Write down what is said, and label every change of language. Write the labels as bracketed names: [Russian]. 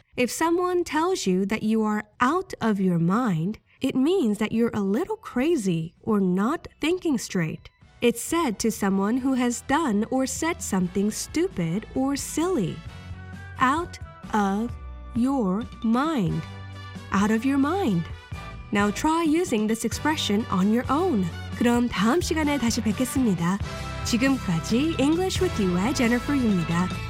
[English] If someone tells you that you are out of your mind, it means that you're a little crazy or not thinking straight. It's said to someone who has done or said something stupid or silly. Out of your mind. Out of your mind. Now try using this expression on your own. [Korean] 그럼 다음 시간에 다시 뵙겠습니다. 지금까지 English with You의 Jennifer입니다.